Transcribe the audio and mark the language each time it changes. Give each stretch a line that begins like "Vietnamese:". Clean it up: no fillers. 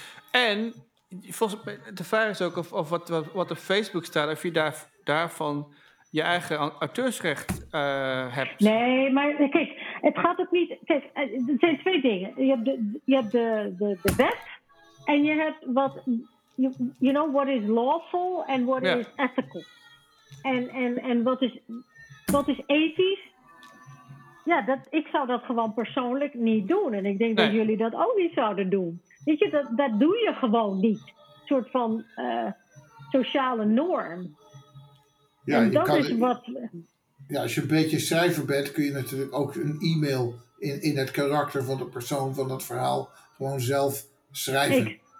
Dutch: En volgens mij, de vraag is ook of wat op Facebook staat. Of je daarvan je eigen auteursrecht hebt. Nee, maar kijk. Het gaat ook niet... Kijk, er zijn twee dingen. Je hebt de wet. En je hebt wat...
English: You know, what is lawful and what is ethical.
Dutch: En wat is ethisch? Ja, ik zou dat gewoon persoonlijk niet doen. En ik denk dat jullie dat ook niet zouden doen. Weet je, dat doe je gewoon niet. Een soort van sociale norm. Ja, en dat kan, is wat... Ja, als je een beetje schrijver bent, kun je natuurlijk ook een e-mail in het karakter van de persoon van dat verhaal gewoon zelf schrijven.